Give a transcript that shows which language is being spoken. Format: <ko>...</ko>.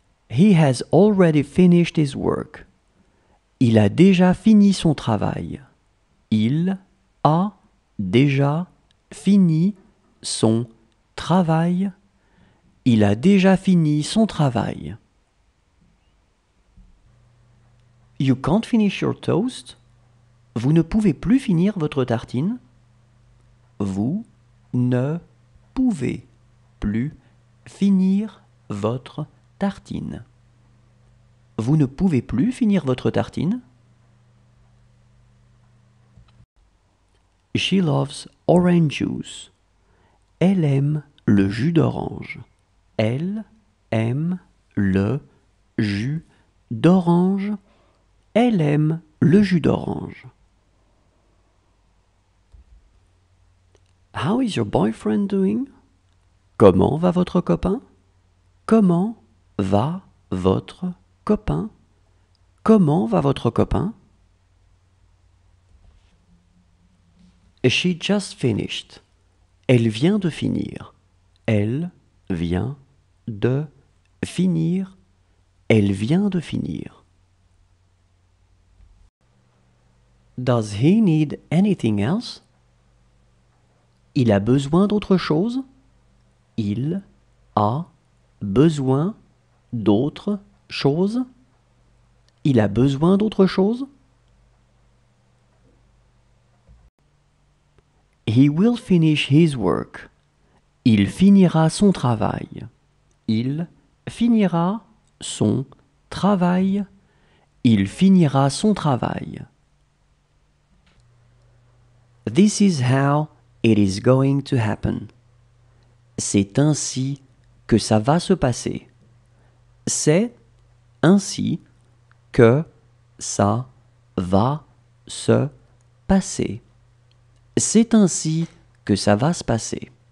<en>He has already finished his work.</en> <fr>Il a déjà fini son travail. Il a déjà fini son travail. Il a déjà fini son travail.</fr> <en>You can't finish your toast.</en> <fr>Vous ne pouvez plus finir votre tartine. Vous ne pouvez plus finir votre tartine. Vous ne pouvez plus finir votre tartine.</fr> <en>She loves orange juice.</en> <fr>Elle aime le jus d'orange. Elle aime le jus d'orange. Elle aime le jus d'orange.</fr> <en>How is your boyfriend doing?</en> <fr>Comment va votre copain? Comment va votre copain? Comment va votre copain?</fr> <en>She just finished.</en> <fr>Elle vient de finir. Elle vient de finir. Elle vient de finir.</fr> <en>Does he need anything else?</en> <fr>Il a besoin d'autre chose? Il a besoin d'autre chose? Il a besoin d'autre chose?</fr> <en>He will finish his work.</en> <fr>Il finira son travail. Il finira son travail. Il finira son travail.</fr> <en>This is how it is going to happen.</en> <fr>C'est ainsi que ça va se passer. C'est ainsi que ça va se passer. C'est ainsi que ça va se passer.</fr>